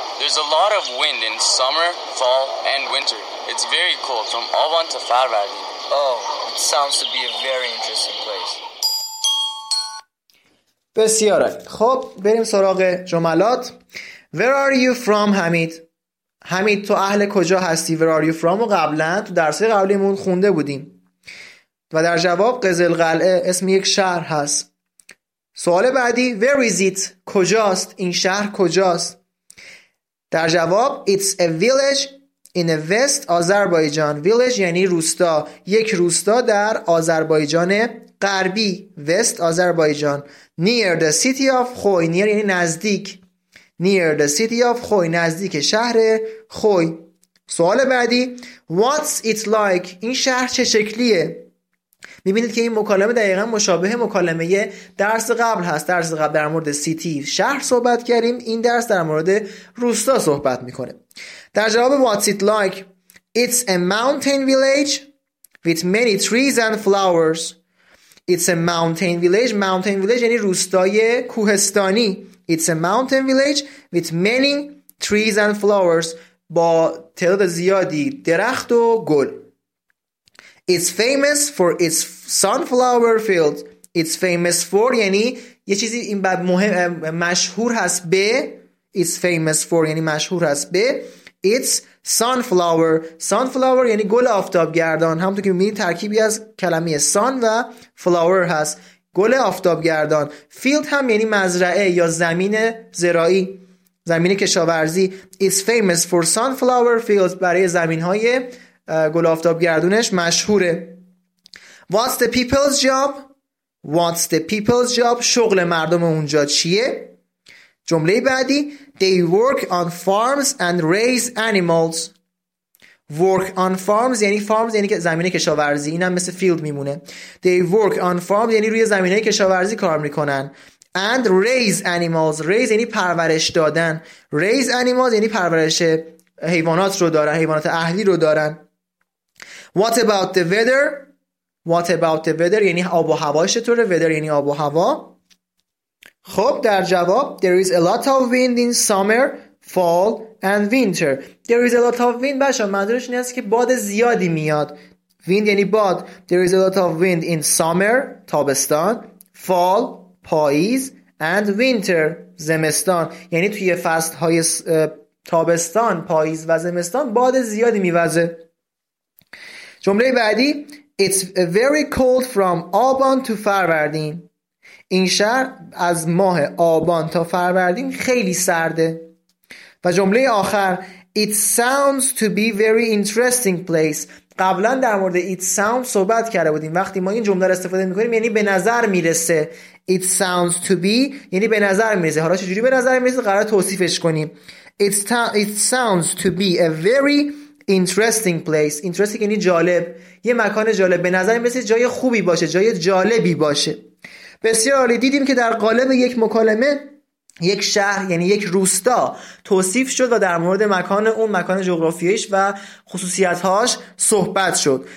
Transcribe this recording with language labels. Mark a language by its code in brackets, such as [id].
[en] There's a lot of wind in summer, fall, and winter. It's very cold from Alban to Farvadi. Oh, it sounds to be a very interesting place. [fa] بسیاره. خب بریم سراغ جملات. [en] Where are you from, Hamid? [fa] Hamid تو اهل کجا هستی؟ [en] Where are you from [fa] و قبلن تو درسه قبلیمون خونده بودیم و در جواب قزلقلعه اسم یک شهر هست. سوال بعدی [en] Where is it? [fa] کجاست؟ این شهر کجاست؟ در جواب [en] It's a village in the west [fa] آذربایجان. Village یعنی روستا، یک روستا در آذربایجان غربی، west آذربایجان. [en] Near the city of Khoi. [fa] Near یعنی نزدیک. [en] Near the city of Khoi، [fa] نزدیک شهر [en] Khoi. [fa] سوال بعدی [en] What's it like؟ [fa] این شهر چه شکلیه؟ میبینید که این مکالمه دقیقا مشابه مکالمه درس قبل هست. درس قبل در مورد سیتی شهر صحبت کردیم، این درس در مورد روستا صحبت میکنه. در جواب [en] What's it like؟ It's a mountain village with many trees and flowers. It's a mountain village. [fa] Mountain village یعنی روستای کوهستانی. [en] It's a mountain village with many trees and flowers. [fa] با تعداد زیادی درخت و گل. [en] It's famous for its sunflower fields. It's famous for [fa] یعنی یه چیزی این بعد مهم مشهور هست به. [en] It's famous for [fa] یعنی مشهور هست به. [en] It's sunflower. [fa] Sunflower یعنی گل آفتابگردان. همونطور که می‌بینید ترکیبی از کلمه sun و flower هست. گل آفتابگردان. Field هم یعنی مزرعه یا زمین زراعی، زمین کشاورزی. [en] It's famous for sunflower fields. [fa] برای زمین‌های گل آفتابگردونش مشهوره. [en] What's the people's job? What's the people's job? [fa] شغل مردم اونجا چیه؟ جمله بعدی [en] They work on farms and raise animals. Work on farms [fa] یعنی farms یعنی که زمینه کشاورزی، اینم مثل field میمونه. [en] They work on farms [fa] یعنی روی زمینه کشاورزی کار میکنن. [en] And raise animals. [fa] Raise یعنی پرورش دادن. [en] Raise animals [fa] یعنی پرورش حیوانات رو دارن، حیوانات اهلی رو دارن. [en] What about the weather? What about the weather [fa] یعنی آب و هوا چطوره؟ [en] weather [fa] یعنی آب و هوا. خب در جواب [en] There is a lot of wind in summer, fall and winter. There is a lot of wind [fa] باشه منظورش این است که باد زیادی میاد. Wind یعنی باد. [en] There is a lot of wind in summer [fa] تابستان، [en] fall [fa] پاییز [en] and winter [fa] زمستان. یعنی توی فصل های تابستان، پاییز و زمستان باد زیادی میوزه. جمله بعدی [en] It's very cold from Aban to Farvardin. [fa] این شهر از ماه آبان تا فروردین خیلی سرده. و جمله آخر [en] It sounds to be very interesting place. [fa] قبلا در مورد [en] It sounds [fa] صحبت کرده بودیم. وقتی ما این جمله را استفاده میکنیم یعنی به نظر میرسه. [en] It sounds to be [fa] یعنی به نظر میرسه. حالا چجوری به نظر میرسه؟ قرار توصیفش کنیم. [en] It sounds to be a very interesting place. [fa] Interesting یعنی جالب، یه مکان جالب. به نظر میرسه جای خوبی باشه، جای جالبی باشه. بسیار عالی. دیدیم که در قالب یک مکالمه یک شهر یعنی یک روستا توصیف شد و در مورد مکان اون، مکان جغرافیاییش و خصوصیت‌هاش صحبت شد.